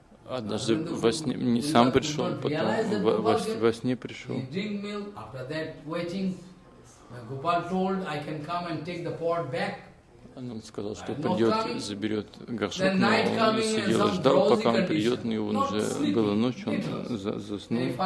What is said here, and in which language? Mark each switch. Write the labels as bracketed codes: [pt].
[ru] однажды во сне не сам пришел, потом во сне пришел. [en] Drink milk. After that, waiting, Gopal told, I can come and take the pot back. [ru] Он сказал, что придет, заберет горшок, но он сидел и ждал, пока он придет, но его уже было ночью, он заснул.